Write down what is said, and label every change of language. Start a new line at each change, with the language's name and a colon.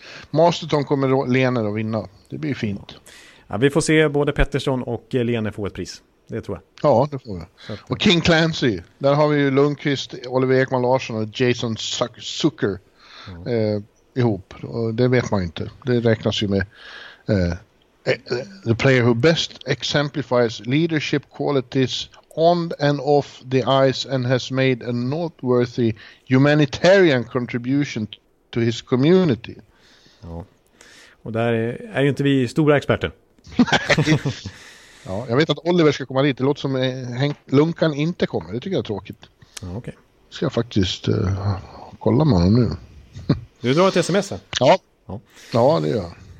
Swedish: Masterton kommer Lehner att vinna. Det blir fint. Ja, vi får se både Pettersson och Lehner få ett pris. Det tror jag. Ja, det får vi. Och King Clancy. Där har vi ju Lundqvist, Oliver Ekman Larsson och Jason Zucker ihop. Och det vet man inte. Det räknas ju med
English: the player who best exemplifies leadership qualities on and off the ice and has made a noteworthy humanitarian contribution to his community.
Swedish: Ja. Och där är ju inte vi stora experter. Ja, jag vet att Oliver ska komma dit. Det låter som Lunkan inte kommer. Det tycker jag är tråkigt. Ja, okej. Okay. Ska jag faktiskt kolla med honom nu. Du drar ett sms här. Ja. Ja, det gör jag.